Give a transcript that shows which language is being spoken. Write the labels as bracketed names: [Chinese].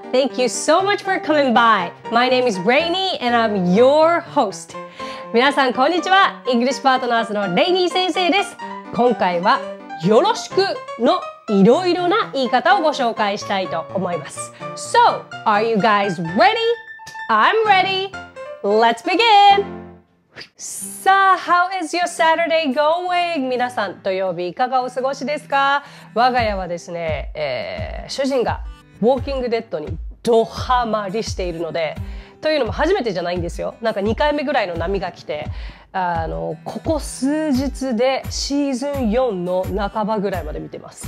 [English] Thank you so much for coming by. My name is Rainy and I'm your host. [Japanese] 皆さんこんにちは。 English Partners のレイニー先生です。今回はよろしくのいろいろな言い方をご紹介したいと思います。 [English] So, are you guys ready? I'm ready. Let's begin! さあ、How is your Saturday going? [Japanese] 皆さん、土曜日いかがお過ごしですか?我が家はですね、主人がウォーキングデッドにドハマりしているので、というのも初めてじゃないんですよ。なんか2回目ぐらいの波が来て、ここ数日でシーズン4の半ばぐらいまで見てます。